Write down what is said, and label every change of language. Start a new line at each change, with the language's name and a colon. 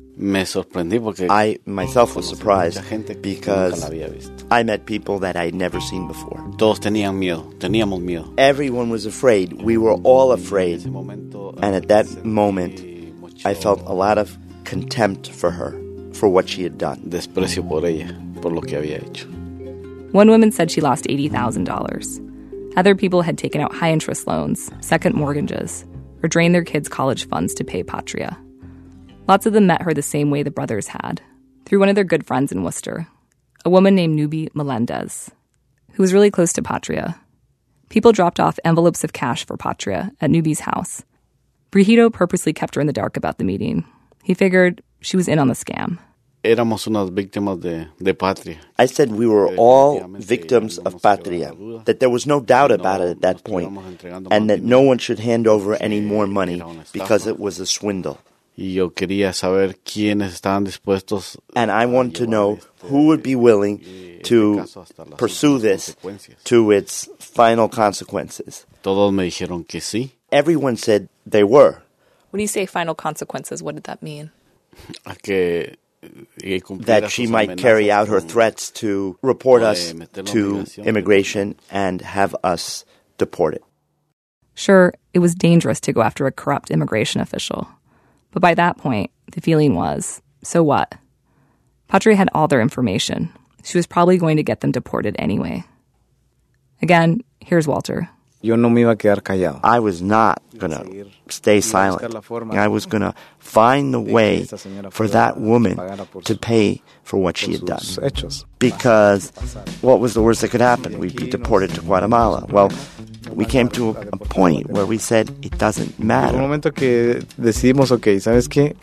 English: I myself was surprised because I met people that I'd never seen before. Everyone was afraid. We were all afraid. And at that moment, I felt a lot of contempt for her, for what she had done.
Spanish: Desprecio por ella, por lo que había hecho.
English: One woman said she lost $80,000. Other people had taken out high-interest loans, second mortgages, or drained their kids' college funds to pay Patria. Lots of them met her the same way the brothers had, through one of their good friends in Worcester, a woman named Nubi Melendez, who was really close to Patria. People dropped off envelopes of cash for Patria at Nubi's house. Brigido purposely kept her in the dark about the meeting. He figured she was in on the scam.
Spanish: Éramos unas víctimas de Patria.
English: I said we were all victims of Patria, that there was no doubt about it at that point, and that no one should hand over any more money because it was a swindle.
Spanish: Y yo quería saber quiénes estaban dispuestos.
English: And I wanted to know who would be willing to pursue this to its final consequences.
Spanish: Todos me dijeron que sí.
English: Everyone said they were. When you say final consequences, what did that mean? That she might carry out her threats to report us to immigration and have us deported. Sure, it was dangerous to go after a corrupt immigration official. But by that point, the feeling was, so what? Patria had all their information. She was probably going to get them deported anyway. Again, here's Walter.
Spanish: Yo no me iba a quedar callado.
English: I was not going to stay silent. I was going to find the way for that woman to pay for what she had done. Because what was the worst that could happen? We'd be deported to Guatemala. Well, we came to a point where we said it doesn't matter.
Spanish: Un momento que decidimos, okay, ¿sabes qué?